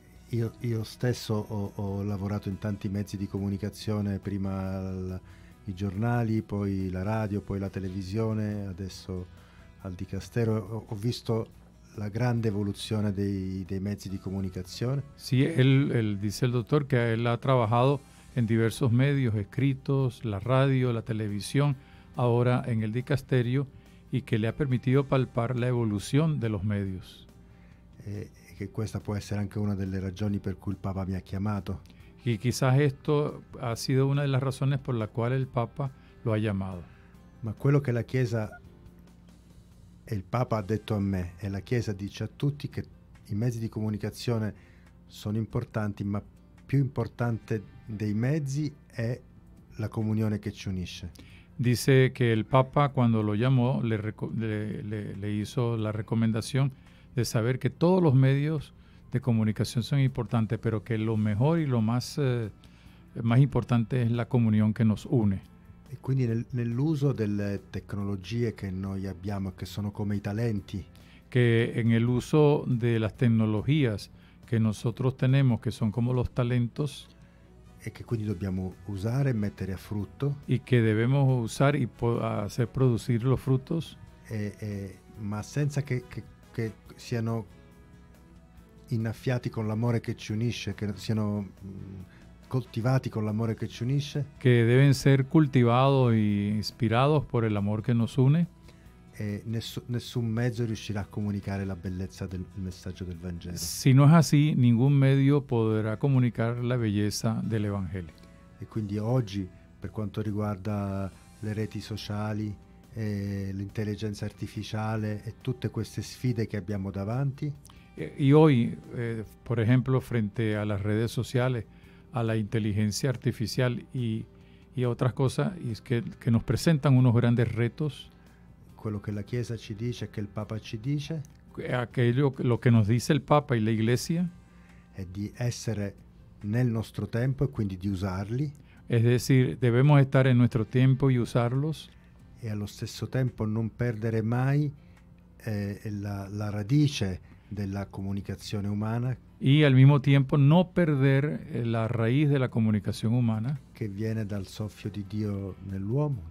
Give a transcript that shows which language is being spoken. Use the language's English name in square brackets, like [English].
[Italian] Io stesso ho lavorato in tanti mezzi di comunicazione, prima i giornali, poi la radio, poi la televisione, adesso al Dicastero. Ho visto la grande evoluzione dei mezzi di comunicazione. Sì, dice il dottor che [Spanish] él ha trabajado en diversos medios escritos, la radio, la televisión, ahora en el dicasterio, y que le ha permitido palpar la evolución de los medios. Que esta puede ser anche una de las razones por cui el Papa me ha llamado. Y quizás esto ha sido una de las razones por la cual el Papa lo ha llamado. [Italian] Ma quello que la Chiesa, el Papa ha detto a me, y la Chiesa dice a tutti que i mezzi di comunicazione sono importanti, ma più importante dei mezzi è la comunione che ci unisce. [Spanish] Dice que el Papa, cuando lo llamó, le hizo la recomendación de saber que todos los medios de comunicación son importantes, pero que lo mejor y lo más, más importante es la comunión que nos une. [Italian] Y quindi nell'uso delle tecnologie che noi abbiamo, che sono come i talenti. [Spanish] Que en el uso de las tecnologías que nosotros tenemos, que son como los talentos, [Italian] e che quindi dobbiamo usare e mettere a frutto, [Spanish] y que debemos usar y hacer producir los frutos, [Italian] ma senza che siano innaffiati con l'amore che ci unisce, che siano coltivati con l'amore che ci unisce, [Spanish] que deben ser cultivados y inspirados por el amor que nos une. [Italian] Nessun mezzo riuscirà a comunicare la bellezza del messaggio del Vangelo. [Spanish] Si no es así, ningún medio podrá comunicar la belleza del Evangelio. [Italian] E quindi oggi, per quanto riguarda le reti sociali, l'intelligenza artificiale e tutte queste sfide che abbiamo davanti. [Spanish] Y hoy, por ejemplo, frente a las redes sociales, a la inteligencia artificial y otras cosas, y que nos presentan unos grandes retos. [Italian] Quello che la Chiesa ci dice, che il Papa ci dice, [Spanish] lo che nos dice il Papa e la Iglesia, [Italian] è di essere nel nostro tempo e quindi di usarli. [Spanish] Es decir, debemos estar en nuestro tiempo y usarlos. [Italian] E allo stesso tempo non perdere mai la radice della comunicazione umana. [Spanish] Y al mismo tiempo no perder la raíz de la comunicación humana, que viene del [Italian] soffio di Dio nell'uomo,